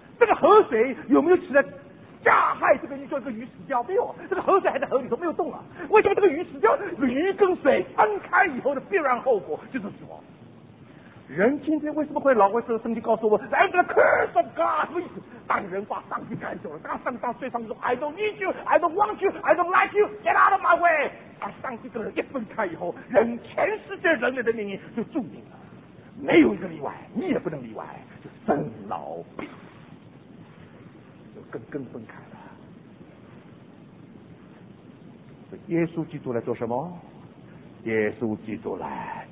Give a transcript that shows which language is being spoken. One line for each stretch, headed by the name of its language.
Chinese: 这个河水有没有起来加害这个鱼，叫这个鱼死掉？没有，这个河水还在河里头没有动啊。为什么这个鱼死掉？鱼跟水分开以后的必然后果就是死亡。人今天为什么会老？为什么圣经告诉我 ？
English: And the curse of God，
Chinese: 什么意思？当人把上帝赶走了，当上帝到水上说
English: ：“I don't need you, I don't want you, I don't like you, get out of my way。”
Chinese: 把上帝跟人一分开以后，人全世界人类的命运就注定了，没有一个例外，你也不能例外，就生老病死，就跟根分开了。耶稣基督来做什么？耶稣基督来。